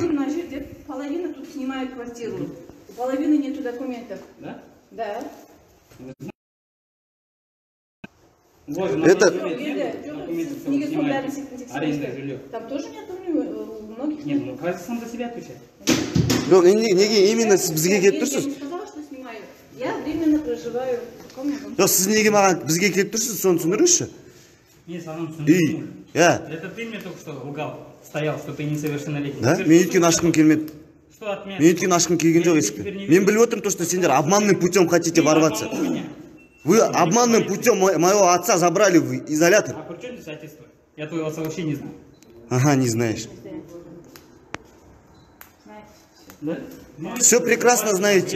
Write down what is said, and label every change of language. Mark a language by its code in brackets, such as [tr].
[kk] Мына жерде [ru] половина тут снимает квартиру. У половины нету документов. Да? Да. Это документы все снимают. Аренда жилье. Там тоже нет. Нет, ну, кажется, сам за себя отвечает. [kk] Неге, именно бізге келіп тұрсыз? [ru] Я не сказала, что снимаю. Я временно проживаю в таком месте. [kk] Жоқ, сіз неге маған бізге келіп тұрсыз, соны түсіндіріңізші? Мен саған түсіндірдім. [ru] Да. Это ты мне только что лгал, стоял, что ты несовершеннолетний. Да? [kk] Мен өйткені ашқым келмеді. [ru] Что от меня? [kk] Мен өйткені ашқым келген жоқ есікке. Мен біліп отырмын [ru] то, что [kk] сендер [ru] обманным путем хотите ворваться. Вы обманным путем моего отца забрали в изолятор. А при чем здесь отец-то? Я твоего отца вообще не знаю. Ага, не знаешь. Да? Все прекрасно знаете.